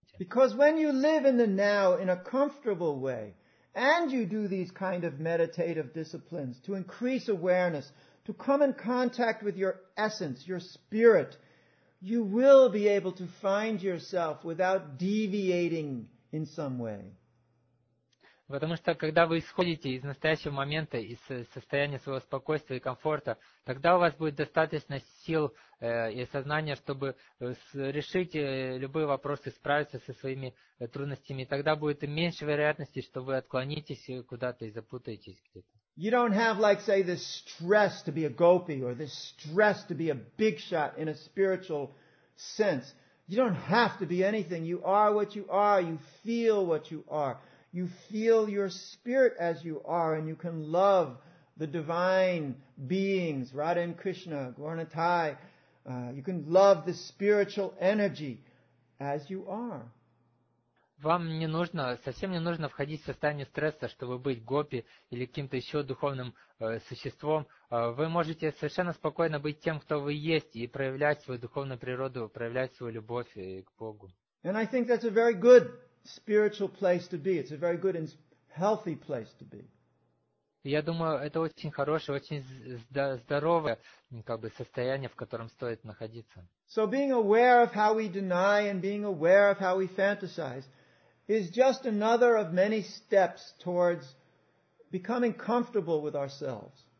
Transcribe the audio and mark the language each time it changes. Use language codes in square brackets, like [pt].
[ru] есть. [en] Because when you live in the now in a comfortable way, and you do these kind of meditative disciplines to increase awareness, to come in contact with your essence, your spirit, you will be able to find yourself without deviating in some way. [ru] Потому что когда вы исходите из настоящего момента, из состояния своего спокойствия и комфорта, тогда у вас будет достаточно сил и сознания, чтобы решить любые вопросы, справиться со своими трудностями. Тогда будет меньше вероятности, что вы отклонитесь куда-то и запутаетесь где-то. [en] You don't have, like, say, this stress to be a gopi or this stress to be a big shot in a spiritual sense. You don't have to be anything. You are what you are. You feel what you are. You feel your spirit as you are, and you can love the divine beings, Radha and Krishna, Gauranatai. You can love the spiritual energy as you are. [ru] Вам не нужно, совсем не нужно входить в состояние стресса, чтобы быть гопи или каким-то еще духовным существом. Вы можете совершенно спокойно быть тем, кто вы есть, и проявлять свою духовную природу, проявлять свою любовь к Богу. [en] And I think that's a very good spiritual place to be. It's a very good and healthy place to be. [ru] Я думаю, это очень хорошее, очень здоровое, как бы, состояние, в котором стоит находиться. [en] So being aware of how we deny and being aware of how we fantasize is just another of many steps towards becoming comfortable with ourselves.